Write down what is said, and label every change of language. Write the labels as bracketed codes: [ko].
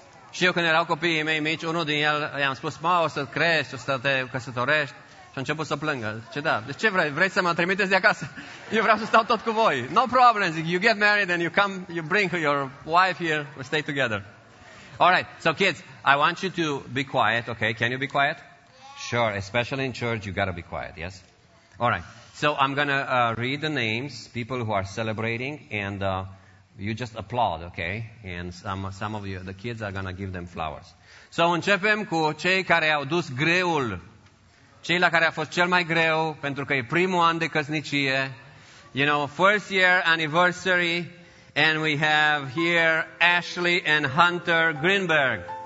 [ro] Și eu când erau copiii mei mici, unul din el i-am spus, mă, o să crești, o să te căsătorești. Și a început să plângă. Zice, da, deci ce vrei? Vrei să mă trimiteți de acasă? Eu vreau să stau tot cu voi. [en] No problem. Zic, you get married and you come, you bring your wife here, we stay together. All right, so kids, I want you to be quiet, okay? Can you be quiet? Yeah. Sure, especially in church, you gotta be quiet, yes? All right, so I'm gonna read the names, people who are celebrating, and you just applaud, okay? And some of you, the kids are gonna give them flowers. [ro] So începem cu cei care au dus greul. Cei la care a fost cel mai greu, pentru că e primul an de căsnicie. [en] You know, first year anniversary, and we have here Ashley and Hunter Greenberg.